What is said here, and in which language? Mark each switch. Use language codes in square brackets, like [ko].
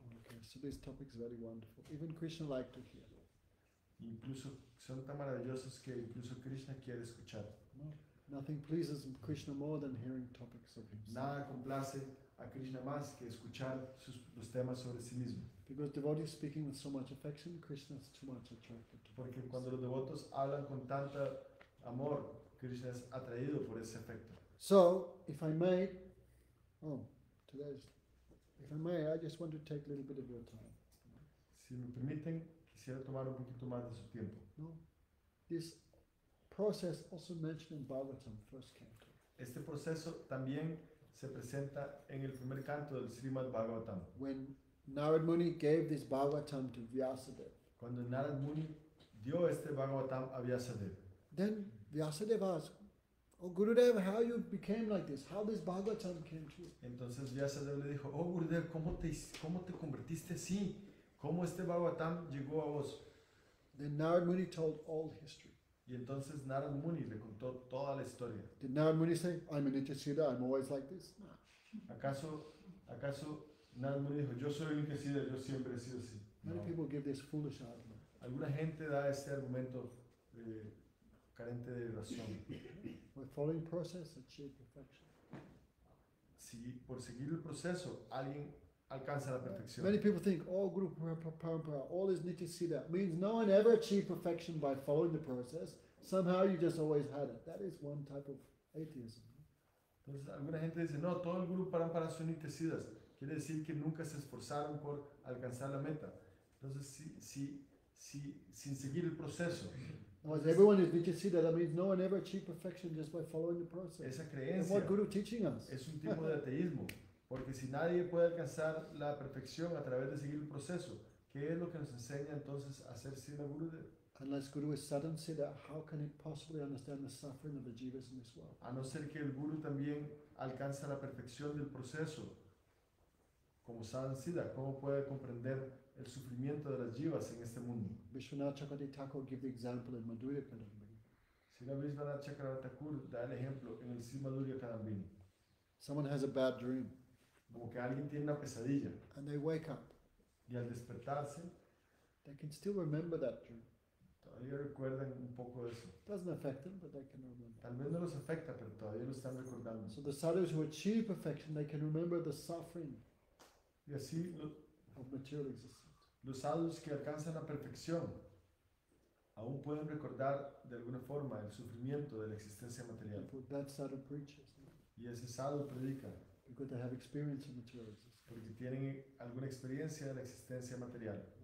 [en] Okay, so this topic is very wonderful. Even Krishna liked to hear. [es] Incluso son tan maravillosos que incluso Krishna quiere escuchar. [en] Nothing pleases Krishna more than hearing topics of himself. [es] Nada complace a Krishna más que escuchar los temas sobre sí mismo. [en] Because devotees speaking with so much affection, Krishna is too much attracted to. [es] Porque cuando los devotos hablan con tanta amor, Krishna es atraído por ese efecto. [en] So, if I may, oh, today's If I may, I just want to take a little bit of your time. [es] Si me permiten, quisiera tomar un poquito más de su tiempo. No. [en] This process also mentioned in Bhagavatam, first canto. [es] Este proceso también se presenta en el primer canto del Srimad Bhagavatam. [en] When Narad Muni gave this Bhagavatam to Vyasadeva. [es] Cuando Narad Muni dio este Bhagavatam a Vyasadeva. [en] Then Vyasadeva asked, "Oh Gurudev, how you became like this? How this Bhagavatam came to you?" [es] Entonces Vyasadeva le dijo, "Oh Gurudev, ¿cómo te convertiste así? ¿Cómo este Bhagavatam llegó a vos?" [en] Then Narad Muni told all history. [es] Y entonces Narad Muni le contó toda la historia. [en] Did Narad Muni say, "I'm a Nityasiddha, I'm always like this"? No. [es] ¿Acaso Narad Muni dijo, "Yo soy un Nityasiddha, yo siempre he sido así"? [en] No. Many people give this foolish argument. [es] Alguna gente da este argumento carente de razón. [en] With following process, achieve perfection. [es] Si por seguir el proceso, alguien alcanza la perfección. [en] Many people think, "Oh, Guru Parampara, all is Nityasiddha. Means no one ever achieved perfection by following the process. Somehow you just always had it." That is one type of atheism. [es] Entonces, alguna gente dice, "No, todo el Guru Parampara son Nityasiddhas." Quiere decir que nunca se esforzaron por alcanzar la meta. Entonces, si sin seguir el proceso. [en] Because everyone is Nityasiddha, that means no one ever achieved perfection just by following the process. [es] Esa creencia. [en] And what Guru teaching us? [es] Es un tipo de ateísmo. Porque si nadie puede alcanzar la perfección a través de seguir el proceso, ¿qué es lo que nos enseña entonces a ser Siddha Gurudev? [en] Unless Guru is sudden Siddha, how can he possibly understand the suffering of the jivas in this world? [es] A no ser que el Guru también alcanza la perfección del proceso, como sudden Siddha, ¿cómo puede comprender el sufrimiento de las jivas en este mundo? [en] Vishwanath Chakravarti Thakur give the example in Madhurya Kadambini. [es] Siddha Vishwanath Chakravarti Thakur da el ejemplo en el Sri Madhurya Kadambini. [en] Someone has a bad dream. [es] Como que alguien tiene una pesadilla. [en] And they wake up. [es] Y al despertarse, [en] they can still remember that dream. [es] Todavía recuerdan un poco de eso. [en] Doesn't affect them, but they can remember. [es] Tal vez no los afecta, pero todavía lo están recordando. [en] So the sadhus who achieve perfection, they can remember the suffering. [es] Y así [en] of material existence. [es] Los sadhus que alcanzan la perfección, aún pueden recordar de alguna forma el sufrimiento de la existencia material. [en] That sadhu preaches. [es] Y ese sadhu predica. [en] Because they have experience in material existence. [es] Porque tienen alguna experiencia de la existencia material.